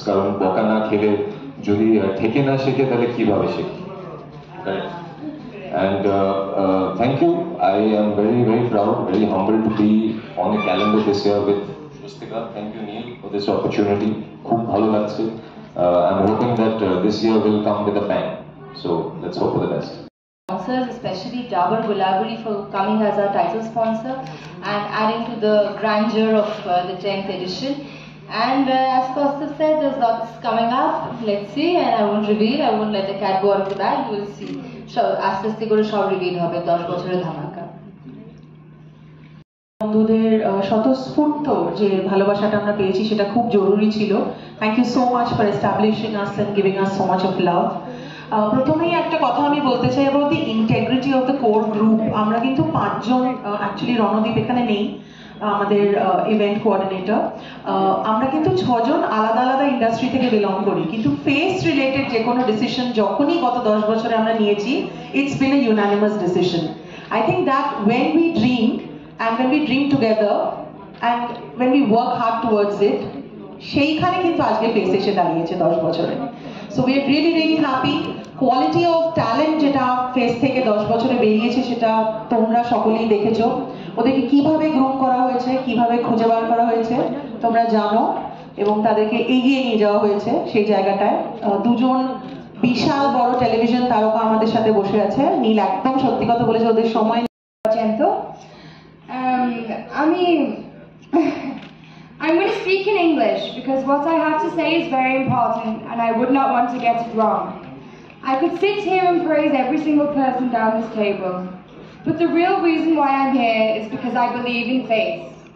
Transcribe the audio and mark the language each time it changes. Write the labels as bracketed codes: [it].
[bn] কারণ বকা না খেলে যদি ঠেকে না শেখে তাহলে কিভাবে শেখে? [en] And thank you. I am very, very proud, very humbled to be on the calendar this year with Swastika. Thank you, Neil, for this opportunity. [bn] খুব ভালো লাগছে. [en] I'm hoping that this year will come with a bang. So let's hope for the best. Sponsors, especially Dabur Gulabari for coming as our title sponsor and adding to the grandeur of the 10th edition. And as Kostav said, there's lots coming up. Let's see, and I won't reveal, I won't let the cat go out of the bag. You will see. So, as this thing will show reveal, how it does go to the Dhamaka. [bn] বন্ধুদের স্বতঃস্ফূর্ত যে ভালোবাসাটা আমরা পেয়েছি সেটা খুব জরুরি ছিল. [en] Thank you so much for establishing us and giving us so much of love. [bn] প্রথমেই একটা কথা আমি বলতে চাই [en] About the integrity of the core group. [bn] আমরা কিন্তু পাঁচজন অ্যাকচুয়ালি, রণদীপ এখানে নেই আমাদের ইভেন্ট কোঅর্ডিনেটর, আমরা কিন্তু ছজন আলাদা আলাদা ইন্ডাস্ট্রি থেকে বিলং করি, কিন্তু ফেস রিলেটেড যে কোনো ডিসিশন যখনই গত 10 বছরে আমরা নিয়েছি, [en] It's been a unanimous decision. I think that when we dream and when we dream together and when we work hard towards it, [bn] সেইখানে কিন্তু আজকে ফেস এসে দাঁড়িয়েছে 10 বছরে. [en] So we are really, really happy. Quality of talent [bn] যেটা face থেকে 10 বছরে বেরিয়েছে সেটা তোমরা সকলেই দেখেছো. ওদেরকে কিভাবে গ্রুপ করা হয়েছে, কিভাবে খুঁজে বার করা হয়েছে তোমরা জানো, এবং তাদেরকে এগিয়ে নিয়ে যাওয়া হয়েছে সেই জায়গাটায়. দুজন বিশাল বড় টেলিভিশন তারকা আমাদের সাথে বসে আছে. নীল একদম সত্যি কথা বলেছে, ওদের সময় জানতো. [en] I'm going to speak in English because what I have to say is very important and I would not want to get it wrong. I could sit here and praise every single person down this table, but the real reason why I'm here is because I believe in faith.